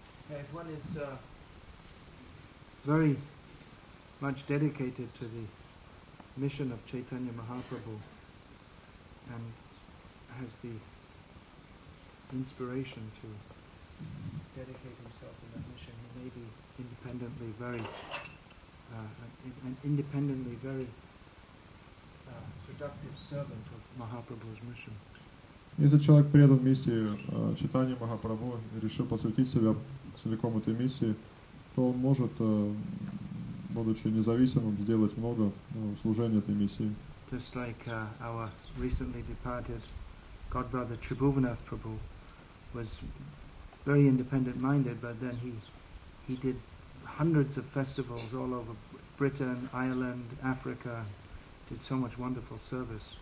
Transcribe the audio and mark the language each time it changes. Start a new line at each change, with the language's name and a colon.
English: Yeah, if one is very much dedicated to the mission of Chaitanya Mahaprabhu and has the inspiration to dedicate himself in that mission, he may be independently very productive servant of Mahaprabhu's mission.
Russian: Если человек предан миссии Чайтанья Махапрабху и решил посвятить себя целиком этой миссии, то он может, будучи независимым, сделать много служения этой миссии.
English: Just like our recently departed godbrother Tribhuvanath Prabhu was very independent-minded, but then he did hundreds of festivals all over Britain, Ireland, Africa, did so much wonderful service.